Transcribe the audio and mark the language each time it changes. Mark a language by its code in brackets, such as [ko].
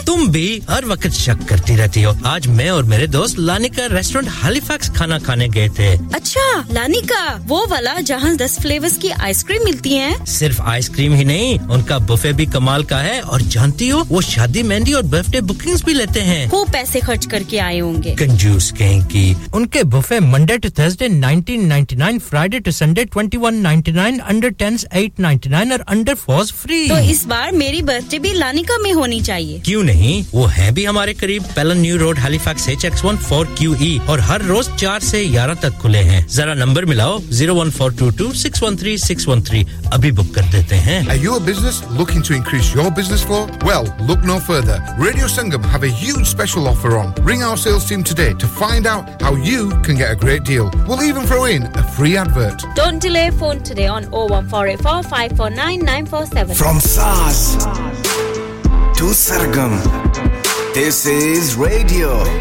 [hi] Tum bhi har waqt shak karti rehti ho. Aaj main aur mere dost Lanika restaurant Halifax khana khane gaye the. Achha, Lanika! Wo wala jahan 10 flavors ki ice cream milti hai? Sirf ice cream hi nahi, unka buffet bhi kamal ka hai. Aur janti ho, wo shadi mehndi aur birthday booking भी लेते हैं वो पैसे खर्च करके आए होंगे कंजूस कहेंगे उनके buffet Monday to Thursday 1999 Friday to Sunday 2199 under 10s 899 और अंडर 4s फ्री तो इस बार मेरी बर्थडे भी लानिका में होनी चाहिए क्यों नहीं वो है भी हमारे करीब पेलन न्यू रोड हैलिफैक्स HX14QE और हर रोज 4 से 11 तक खुले हैं जरा नंबर मिलाओ 01422613613 अभी बुक कर देते हैं [en] Are you a business looking to increase your business flow well look no further radio Sangam have a huge special offer on. Ring our sales team today to find out how you can get a great deal. We'll even throw in a free advert. Don't delay phone today on 01484-549-947. From SARS to Sargam, this is Radio.